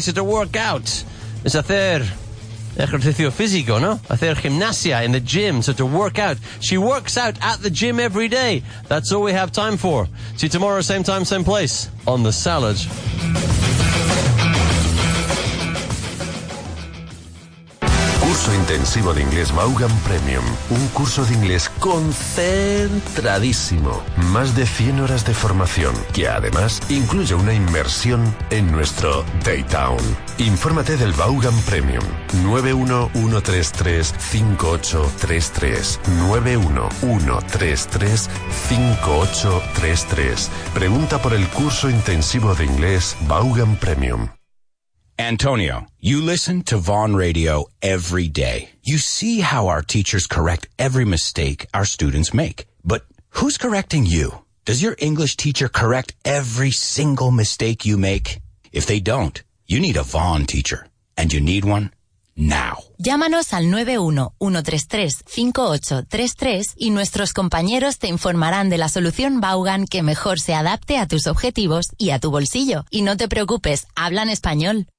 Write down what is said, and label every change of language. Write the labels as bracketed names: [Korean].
[English] So to work out is [Spanish] hacer ejercicio físico, no? Hacer gimnasia [English] in the gym, so to work out. She works out at the gym every day. That's all we have time for. See you tomorrow, same time, same place, on The Salad. [Spanish] Curso intensivo de inglés Vaughan Premium. Un curso de inglés concentradísimo. Más de 100 horas de formación, que además incluye una inmersión en nuestro Daytown. Infórmate del Vaughan Premium. 911335833. 911335833. Pregunta por el curso intensivo de inglés Vaughan Premium. [English] Antonio, you listen to Vaughan Radio every day. You see how our teachers correct every mistake our students make. But who's correcting you? Does your English teacher correct every single mistake you make? If they don't, you need a Vaughan teacher. And you need one now. [Spanish] Llámanos al 911335833 y nuestros compañeros te informarán de la solución Vaughan que mejor se adapte a tus objetivos y a tu bolsillo. Y no te preocupes, hablan español.